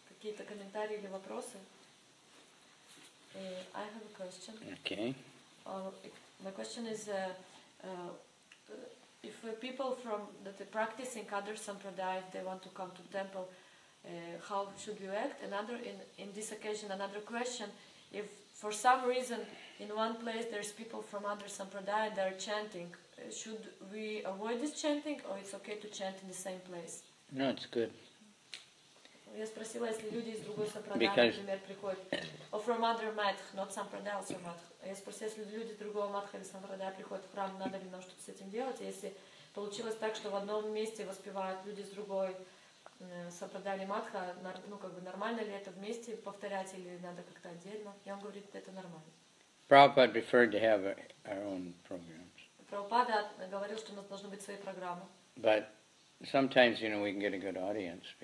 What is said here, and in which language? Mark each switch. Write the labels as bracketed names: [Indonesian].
[Russian] Какие-то комментарии или вопросы? [English] I have a question. Okay. My question is, if people from that are practicing other sampradaya, they want to come to temple, how should you act? Another in this occasion, another question: if for some reason in one place there's people from other sampradaya, they are chanting, should we avoid this chanting, or it's okay to chant in the same place? No, it's good. [Russian] Я спросила, если люди из другой сампрадая, например, приходят, [English] or from other madh, not sampradaya, also madh. [Russian] Я спросила, если люди из другого мадха или сампрадая приходят в храм, надо ли нам что-то с этим делать? Если получилось так, что в одном месте воспевают люди из другой сампрадая или мадха, ну как бы нормально ли это вместе повторять или надо как-то отдельно? И он говорит, это нормально. [English] Prabhupada preferred to have our own programs. [Russian] Прабхупада говорил, что у нас должны быть свои программы. [English] But sometimes, you know, we can get a good audience.